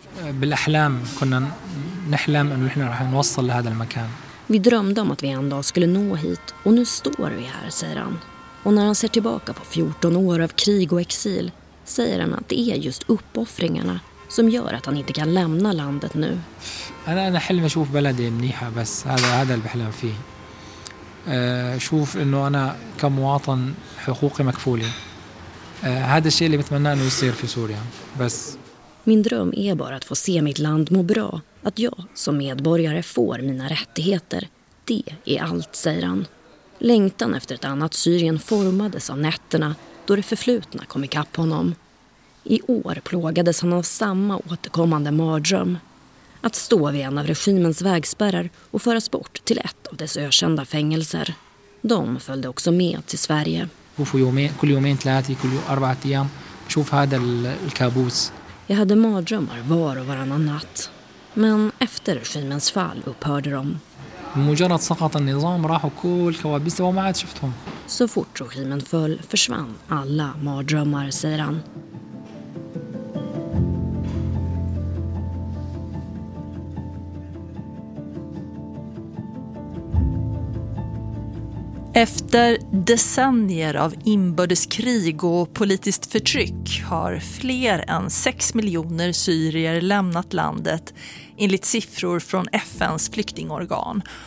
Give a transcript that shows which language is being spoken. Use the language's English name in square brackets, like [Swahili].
[Arabic] بالاحلام كنا نحلم انه احنا راح نوصل لهذا المكان. [Swedish] Vi drömde om att vi en dag skulle nå hit och nu står vi här, säger han. Och när han ser tillbaka på 14 år av krig och exil säger han att det är just uppoffringarna som gör att han inte kan lämna landet nu. [Arabic] انا حلم اشوف بلدي منيحه بس هذا اللي بحلم فيه. اشوف انه انا كمواطن حقوقي مكفوله. هذا الشيء اللي بتمناه انه يصير في سوريا بس. [Swedish] Min dröm är bara att få se mitt land må bra. Att jag som medborgare får mina rättigheter. Det är allt, säger han. Längtan efter ett annat Syrien formades av nätterna då det förflutna kom ikapp honom. I år plågades han av samma återkommande mardröm. Att stå vid en av regimens vägspärrar och föras bort till ett av dess ökända fängelser. De följde också med till Sverige. Jag hade mardrömmar var och varannan natt. Men efter regimens fall upphörde de. [Arabic] مجرد سقط النظام راحوا كل كوابيس وما عاد شفتهم. [Swedish] Så fort regimen föll försvann alla mardrömmar, säger han. Efter decennier av inbördeskrig och politiskt förtryck har fler än 6 miljoner syrier lämnat landet enligt siffror från FN:s flyktingorgan.